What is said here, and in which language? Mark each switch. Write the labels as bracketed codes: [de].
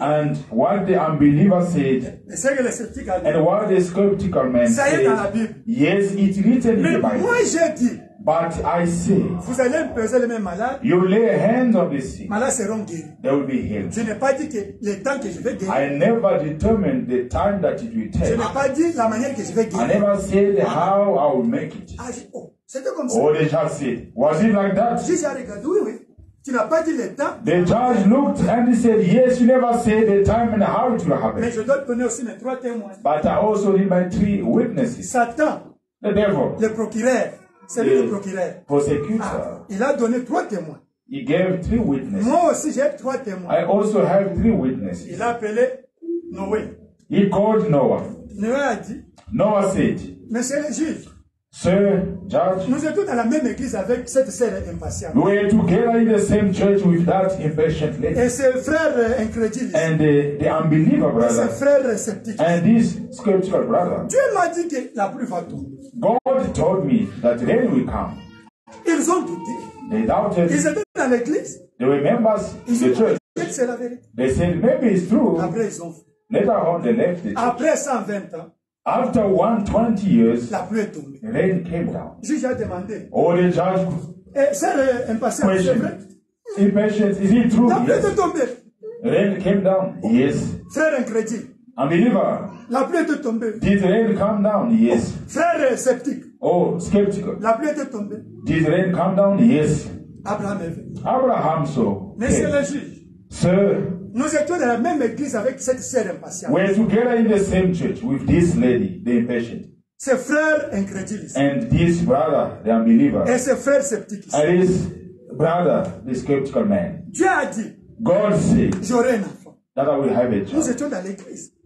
[en] And what the unbeliever said. [fr] Ce que le sceptique a dit. [en] And what the skeptical man [fr] ça [en] said. [fr] Ça est dans la Bible. [en] Yes, it written [fr] mais [en] in the Bible. [fr] Mais moi j'ai dit. [en] But I say, [fr] vous allez imposer les mêmes malades. [en] You lay hands on the sick. [fr] Malades seront guéris. [en] They will be healed. [fr] Je n'ai pas dit que le temps que je vais guérir. [en] I never determined the time that it will take. [fr] Je n'ai pas dit la manière que je vais guérir. [en] I never said how I will make it. [fr] Ah, oh, c'était comme ça. [en] Oh, the judge said, was it like that? [fr] Je suis regardé, oui, oui. Tu n'as pas dit le temps. [en] The judge looked and he said, yes, you never said the time and how it will happen. [fr] Mais je dois donner aussi mes trois témoins. [en] But I also need my three witnesses. [fr] Satan, [en] the devil, [fr] le procureur. C'est lui le procureur. [en] Prosecutor. [fr] Ah, il a donné trois témoins. [en] He gave three witnesses. [fr] Moi aussi j'ai trois témoins. [en] I also have three witnesses. [fr] Il a appelé Noé. [en] He called Noah. [fr] Noé a dit. [en] Noah said. [fr] Monsieur le juge. [en] Sir, judge. [fr] Nous étions dans la même église avec cette sœur impatiente. [en] We were together in the same church with that impatient lady. [fr] Et ce frère incrédule. [en] And the unbeliever brother. [fr] Et ce frère sceptique. [en] And this scriptural brother. [fr] Dieu m'a dit que la pluie va tomber. [en] God told me that rain will come. [fr] Ils ont douté. [en] They doubted. [fr] Ils étaient dans l'église. [en] They were members of the church. [fr] Ils ont dit que c'est la vérité. [en] They said maybe it's true. [fr] Après ils ont. [en] Later on they left the church. [fr] Après 120 ans. [en] After 120 years, [fr] la pluie est tombée. [en] Rain came down. [fr] Juge a demandé. [en] Oh, the judge Impatience, is it true? Yes. Rain came down. Yes. [fr] Frère incrédule. [en] Unbeliever. [fr] La pluie est tombée. [en] Did rain come down? Yes. [fr] Frère sceptique. [en] Oh, skeptical. [fr] La pluie est tombée. [en] Did rain come down? Yes. [fr] Abraham est venu. [en] Abraham so. [fr] Monsieur le juge. [en] Sir. [fr] Nous étions dans la même église avec cette sœur impatiente. [en] We are together in the same church with this lady, the impatient. [fr] Ce frère incrédule. [en] And this brother, the unbeliever. [fr] Et ce frère sceptique. [en] And this brother, the skeptical man. [fr] Dieu a dit. [en] God said. [fr] J'aurai un enfant. [en] That I will have a child. [fr] Nous étions dans l'église.